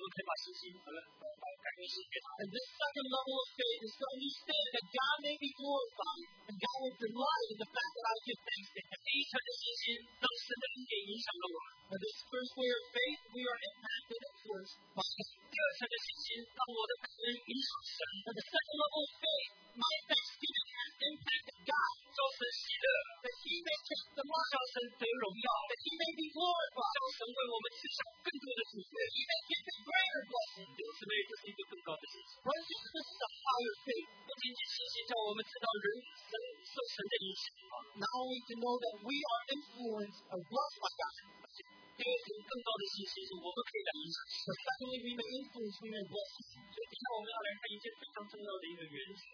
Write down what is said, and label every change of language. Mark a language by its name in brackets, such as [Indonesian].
[English] this second level of faith is to understand that God may be glorified and God will delight in the fact that I give thanks to Him. [Chinese] 第一层的信心，当神的恩典影响了我们。 [English] But this first way of faith, we are impacted at first by. [Chinese] 第二层的信心，当我的感恩影响神。 [English] But the second level of faith, my thanksgiving has impacted God. [Chinese] 叫神喜乐。 [English] That He may take the mark. [Chinese] 叫神得荣耀。 [English] That He may be glorified. [Chinese] 叫神为我们赐下更多的祝福。 [English] He may give Him greater blessings. [Chinese] 弟兄姊妹，这是一个更高的信心。 [English] Brothers and sisters, the power of faith. [Chinese] 不仅仅信心叫我们知道人生受神的影响。 [English] Not only to know that we are influenced or blessed by God. [Chinese] 第二层更高的信心是我们可以来影响神。 [English] Secondly, we may influence, we may bless Him. [Chinese] 所以今天我们要来看一件非常重要的一个原则。